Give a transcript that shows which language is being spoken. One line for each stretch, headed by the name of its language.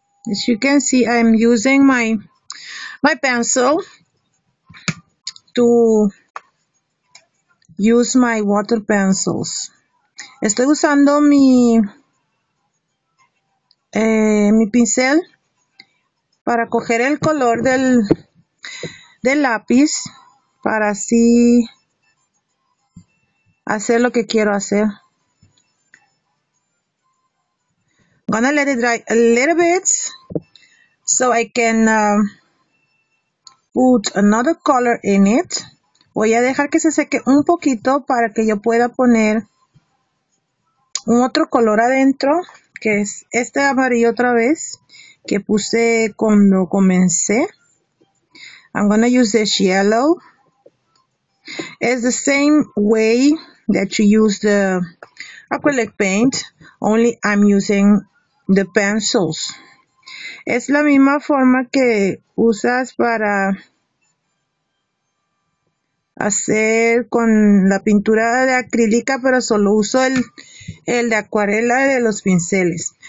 English: As you can see, I'm using my pencil to use my water pencils.
Spanish: Estoy usando mi pincel para coger el color del lápiz para así hacer lo que quiero hacer.
English: I'm gonna let it dry a little bit so I can put another color in it.
Spanish: Voy a dejar que se seque un poquito para que yo pueda poner un otro color adentro, que es este amarillo otra vez que puse cuando comencé.
English: I'm gonna use this yellow It's the same way that you use the acrylic paint, only I'm using the pencils.
Spanish: Es la misma forma que usas para hacer con la pintura de acrílica, pero solo uso el de acuarela de los pinceles.